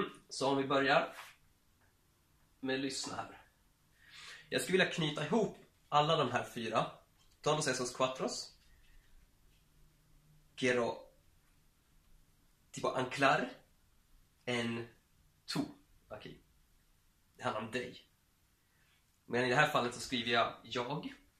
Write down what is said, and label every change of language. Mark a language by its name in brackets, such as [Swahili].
[Swedish] Så om vi börjar med lyssna här. Jag skulle vilja knyta ihop alla de här fyra. [Spanish] Todos esos cuatros. Quiero tipo anclar en tú. [Swedish] Okay. Det handlar om dig. Men i det här fallet så skriver jag jag.